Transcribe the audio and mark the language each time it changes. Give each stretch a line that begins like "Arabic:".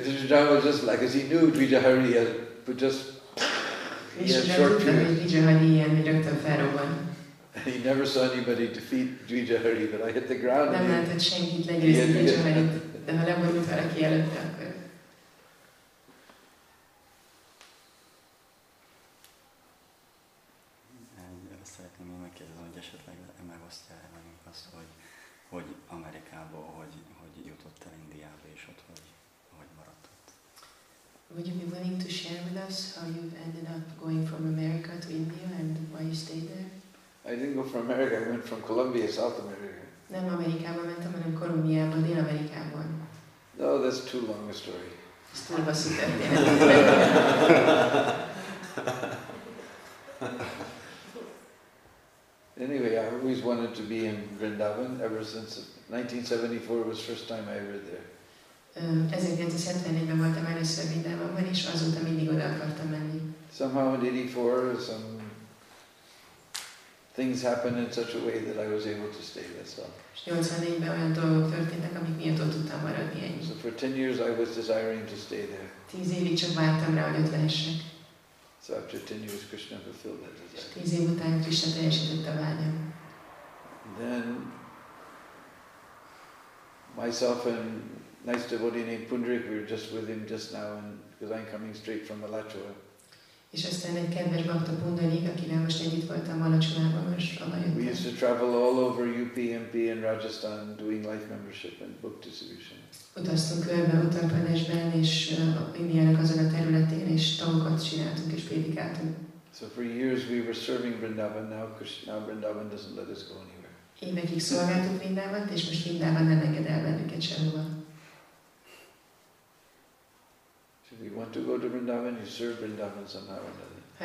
English: This John was just like, as he knew Dvijahari, but just he never saw anybody defeat Dvijahari, but I hit the ground.
Hungarian: Nem lehetett senkit legyőzni Dvijaharit, de ha lemondott valaki előtte, akkor. Szeretném én megkérdezni, hogy esetleg megosztja-e velünk azt, hogy Amerikából, hogy jutott el Indiába, és ott hogy maradt ott.
English: Would you be willing to share with us how you've ended up going from America to India and why you stayed there? I didn't go from America, I went from Colombia, South America.
Hungarian: Nem Amerikában mentem, hanem Kolumbiában, Dél-Amerikában.
English: No, that's too long a story.
Hungarian: Ez túl hosszú történet.
English: Anyway, I always wanted wanted to be in Vrindavan ever since 1974 was first time I ever there.
Hungarian: 1974-ben voltam először Vrindavanban, és azóta mindig oda akartam menni.
English: Somehow in 84, some things happened in such a way that I was able to stay there. So
Hungarian: 84-ben olyan dolgok történtek, amik miatt ott tudtam maradni ennyi.
English: So for 10 years I was desiring to stay there.
Hungarian: 10 évig csak vártam rá, hogy ott lehessek.
English: So after 10 years Krishna fulfilled that desire.
Hungarian: 10 év után Krishna teljesített a vágyam.
English: Then myself and nice devotee named Pundrik, we were just with him just now, and because I'm coming straight from Alachua.
Hungarian: És aztán egy kedves bakta Pundarik, akivel most együtt voltam Alachuában, most onnan jöttem.
English: We used to travel all over UP, MP and Rajasthan doing life membership and book distribution.
Hungarian: Utaztunk körbe Uttar Pradeshben és Indiának azon a területén, és tagokat csináltunk és prédikáltunk.
English: So for years we were serving Vrindavan, now Krishna Vrindavan doesn't let us go anywhere.
Hungarian: Évekig szolgáltuk Vrindavant, és most Vrindavan nem enged el bennünket sehova.
English: If you want to go to Vrindavan, you serve Vrindavan somehow or another.